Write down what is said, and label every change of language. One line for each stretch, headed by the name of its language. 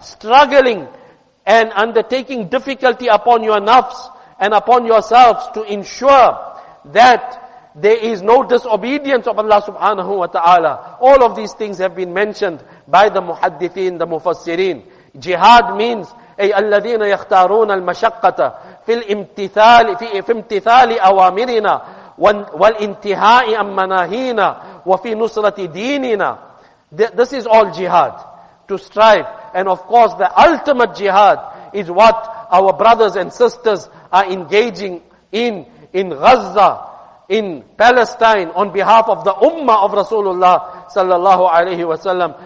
English: Struggling and undertaking difficulty upon your nafs and upon yourselves to ensure that there is no disobedience of Allah subhanahu wa ta'ala. All of these things have been mentioned by the muhaddithin, the mufassirin. Jihad means,
Arabic: أي الذين يختارون المشقة في الامتثال في امتثال أوامرنا والانتهاء عن مناهينا وفي نصرة ديننا.
English: This is all jihad, to strive. And of course the ultimate jihad is what our brothers and sisters are engaging in Gaza, in Palestine, on behalf of the Ummah of Rasulullah sallallahu alayhi wa sallam.